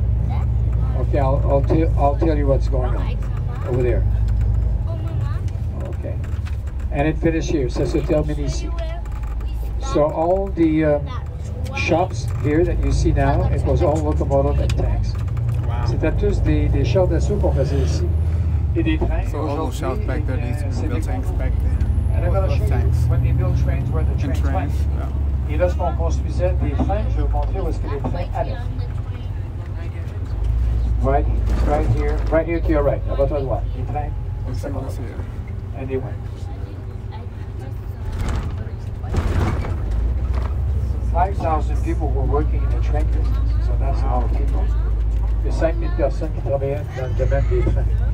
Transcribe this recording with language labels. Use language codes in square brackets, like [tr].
[en] Okay, I'll tell you what's going on over there. Okay. And it finished here. [fr] Ça se termine ici. [en] So all the shops here that you see now, it was all locomotive and tanks. Wow. [fr] C'était tous des chars d'assaut qu'on faisait ici. Et des trains. [en] So all those shops back then, they built tanks back then. And I'm going to show tanks. You when they built trains, where the trains went. Yeah. [fr] Et lorsqu'on construisait des trains, je vais vous montrer où est-ce que les trains allaient. [en] Right here to your right. [fr] À votre droite. Les trains. [en] And they went. Five 5,000 people were working in the train business, so that's how people. [fr] Il y a 5000 personnes qui travaillaient dans le domaine des trains.